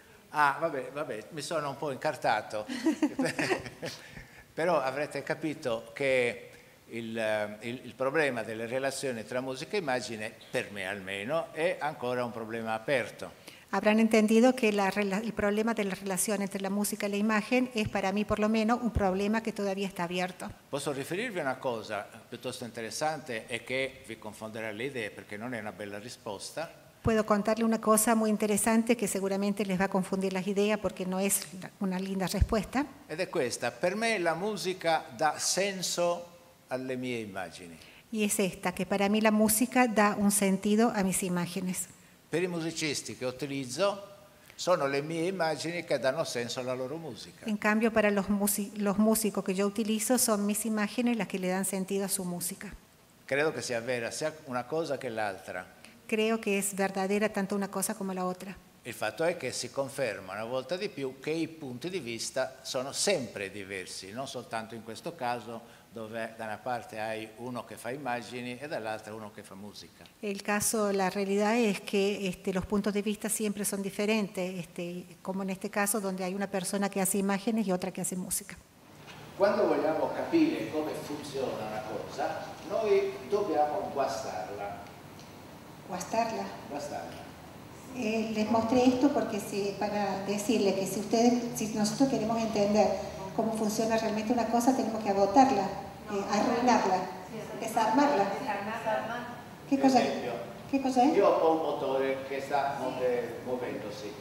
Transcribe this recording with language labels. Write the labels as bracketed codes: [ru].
[it] Ah, vabbè, mi sono un po' incartato. Però avrete capito che il problema delle relazioni tra musica e immagine, per me almeno, è ancora un problema aperto. [es] Habrán entendido que el problema de la relación entre la música y la imagen es para mí, por lo menos, un problema que todavía está abierto. [it] Posso riferirvi una cosa piuttosto interesante e che vi confonderà le idee perché non è una bella risposta. [es] Puedo contarle una cosa muy interesante que seguramente les va a confundir las ideas porque no es una linda respuesta. [it] Ed è questa: per me la musica dà senso alle mie immagini. [es] Y es esta: que para mí la música da un sentido a mis imágenes. [it] Per i musicisti che utilizzo sono le mie immagini che danno senso alla loro musica. [es] In cambio para los músicos que yo utilizo son mis imágenes las que le dan sentido a su música. [it] Credo che sia vera sia una cosa che l'altra. [es] Creo que es verdadera tanto una cosa como la otra. [it] Il fatto è che si conferma una volta di più che i punti di vista sono sempre diversi, non soltanto in questo caso dove da una parte hai uno che fa immagini e dall'altra uno che fa musica. Il caso, la realtà è che i punti di vista sempre sono differenti, come in questo caso dove hai una persona che fa immagini e un'altra che fa musica. Quando vogliamo capire come funziona una cosa, noi dobbiamo guastarla. Guastarla? Guastarla. [es] Les mostré esto porque para decirles que si nosotros queremos entender cómo funciona realmente una cosa, tenemos que agotarla, arruinarla, desarmarla. ¿Qué cosa es? Yo tengo un motor que está moviéndose.